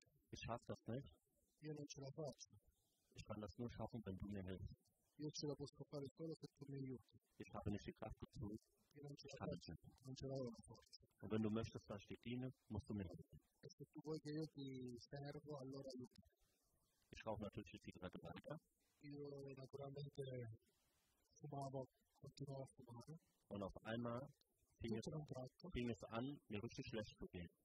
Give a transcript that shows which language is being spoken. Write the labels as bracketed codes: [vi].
[de] Ich schaffe das nicht. Ich kann das nur schaffen, wenn du mir hilfst. [it] Io ce la posso fare solo se tu mi aiuti. [de] Ich habe nicht die Kraft dazu. [it] Non ce la posso. [de] Und wenn du möchtest, dass ich dich diene, musst du mir helfen. [it] Se tu vuoi che io ti servo, allora aiuti. [de] Ich rauche natürlich die Zigarette weiter. [it] Io naturalmente fumavo, continuavo a fumare. [de] Und auf einmal fing es an, mir richtig schlecht zu gehen.